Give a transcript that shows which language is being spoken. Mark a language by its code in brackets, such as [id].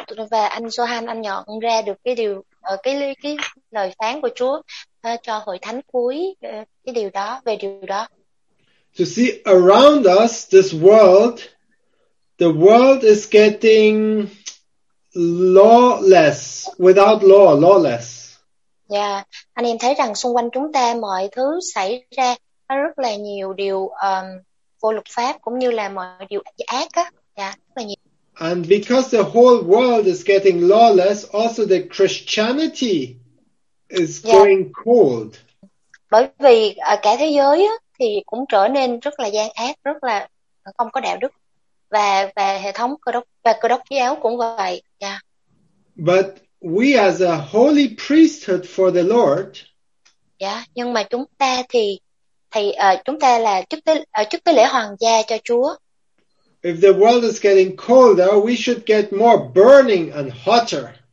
[vi] Và anh Johan, anh nhận ra được cái điều ở cái lời phán của Chúa cho hội thánh cuối, cái điều đó, về điều đó. [en] To see around us this world is getting lawless, without law, lawless. [vi] Yeah, anh em thấy rằng xung quanh chúng ta mọi thứ xảy ra nó rất là nhiều điều vô luật pháp cũng như là mọi điều ác á. Yeah, rất là nhiều. [en] And because the whole world is getting lawless, also the Christianity is going cold. [vi] Bởi vì cả thế giới thì cũng trở nên rất là gian ác, rất là không có đạo đức. Và hệ thống cơ đốc giáo cũng vậy. Yeah. [en] But we as a holy priesthood for the Lord. [vi] Yeah, nhưng mà chúng ta chúng ta là chức tế lễ hoàng gia cho Chúa. [en] If the world is getting colder, we should get more burning and hotter.